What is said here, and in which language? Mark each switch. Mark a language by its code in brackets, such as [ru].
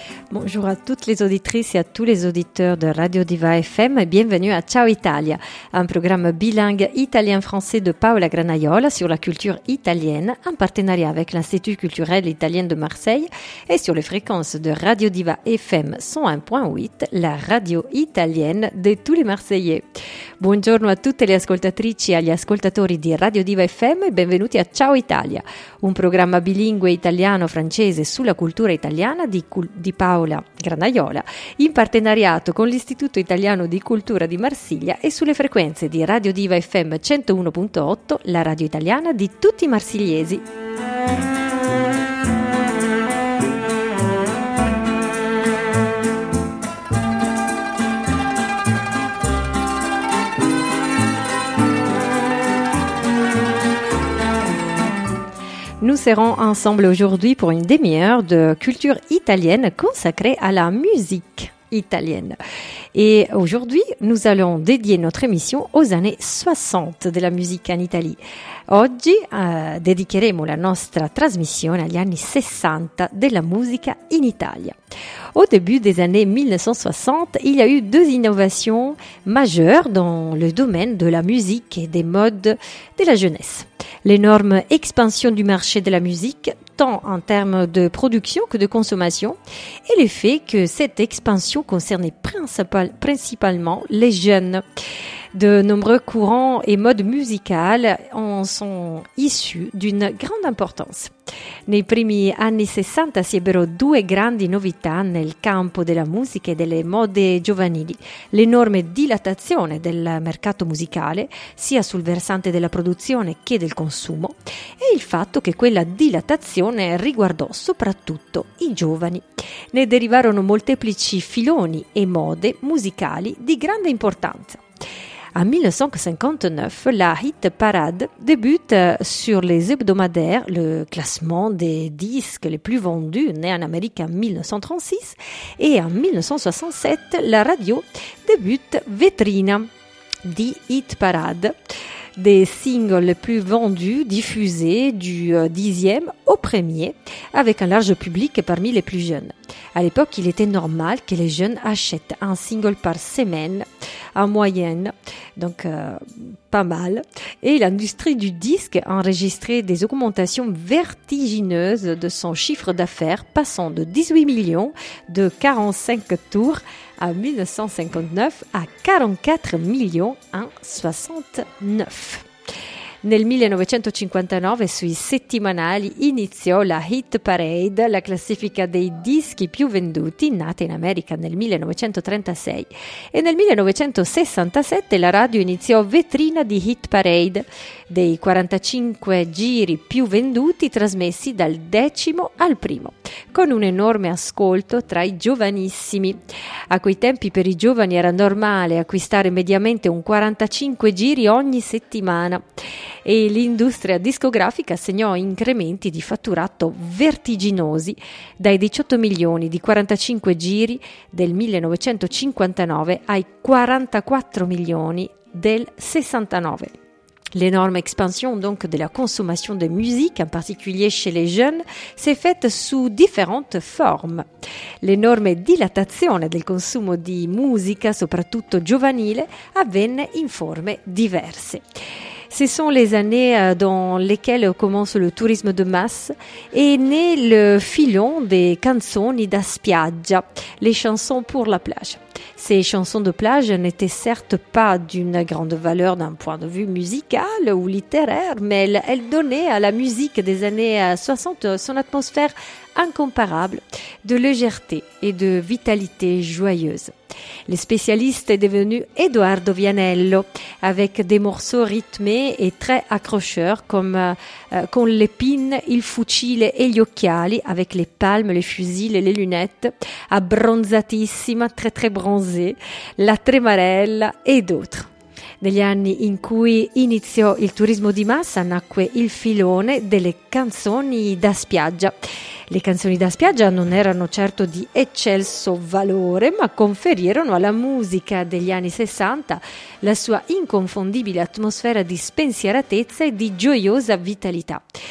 [fr] Bonjour à toutes les auditrices et à tous les auditeurs de Radio Diva FM et bienvenue à Ciao Italia, un programme bilingue italien-français de Paola Granaiola sur la culture italienne en partenariat avec l'Institut culturel italien de Marseille et sur les fréquences de Radio Diva FM 101.8, la radio italienne de tous les Marseillais. [it] Buongiorno a tutte le ascoltatrici e agli ascoltatori di Radio Diva FM e benvenuti a Ciao Italia, un programma bilingue italiano-francese sulla cultura italiana di Paola Granaiola, in partenariato con l'Istituto Italiano di Cultura di Marsiglia e sulle frequenze di Radio Diva FM 101.8, la radio italiana di tutti i marsigliesi. [fr] Nous serons ensemble aujourd'hui pour une demi-heure de culture italienne consacrée à la musique italienne. Et aujourd'hui, nous allons dédier notre émission aux années 60 de la musique en Italie. [it] Oggi dedicheremo la nostra trasmissione agli anni 60 della musica in Italia. [fr] Au début des années 1960, il y a eu deux innovations majeures dans le domaine de la musique et des modes de la jeunesse. L'énorme expansion du marché de la musique, tant en termes de production que de consommation, et le fait que cette expansion concernait principalement les jeunes. De nombreux courants et modes musicaux en sont issus d'une grande importance. [it] Nei primi anni 60 si ebbero due grandi novità nel campo della musica e delle mode giovanili: l'enorme dilatazione del mercato musicale, sia sul versante della produzione che del consumo, e il fatto che quella dilatazione riguardò soprattutto i giovani. Ne derivarono molteplici filoni e mode musicali di grande importanza. [fr] En 1959, la hit parade débute sur les hebdomadaires, le classement des disques les plus vendus né en Amérique en 1936, et en 1967, la radio débute Vetrina, dit hit parade, des singles les plus vendus diffusés du 10e au 1er, avec un large public parmi les plus jeunes. À l'époque, il était normal que les jeunes achètent un single par semaine, en moyenne, donc pas mal. Et l'industrie du disque a enregistré des augmentations vertigineuses de son chiffre d'affaires, passant de 18 millions de 45 tours en 1959 à 44 millions en 69. [it] Nel 1959, sui settimanali, iniziò la Hit Parade, la classifica dei dischi più venduti, nata in America nel 1936. E nel 1967 la radio iniziò Vetrina di Hit Parade, dei 45 giri più venduti trasmessi dal decimo al primo, con un enorme ascolto tra i giovanissimi. A quei tempi per i giovani era normale acquistare mediamente un 45 giri ogni settimana. E l'industria discografica segnò incrementi di fatturato vertiginosi dai 18 milioni di 45 giri del 1959 ai 44 milioni del 69. [fr] L'énorme expansion donc de la consommation de musique, en particulier chez les jeunes, s'est faite sous différentes formes. [it] L'énorme dilatazione del consumo di musica, soprattutto giovanile, avvenne in forme diverse. [fr] Ce sont les années dans lesquelles commence le tourisme de masse et naît le filon des [it] canzoni da spiaggia, [fr] les chansons pour la plage. Ces chansons de plage n'étaient certes pas d'une grande valeur d'un point de vue musical ou littéraire, mais elles donnaient à la musique des années 60 son atmosphère incomparable de légèreté et de vitalité joyeuse. Le spécialiste est devenu Edoardo Vianello, avec des morceaux rythmés et très accrocheurs comme Con l'épine, il fucile e gli occhiali, avec les palmes, les fusils et les lunettes, Abbronzatissima, très très bronzée, La Tremarella et d'autres. [it] Negli anni in cui iniziò il turismo di massa nacque il filone delle canzoni da spiaggia. Le canzoni da spiaggia non erano certo di eccelso valore, ma conferirono alla musica degli anni 60 la sua inconfondibile atmosfera di spensieratezza e di gioiosa vitalità.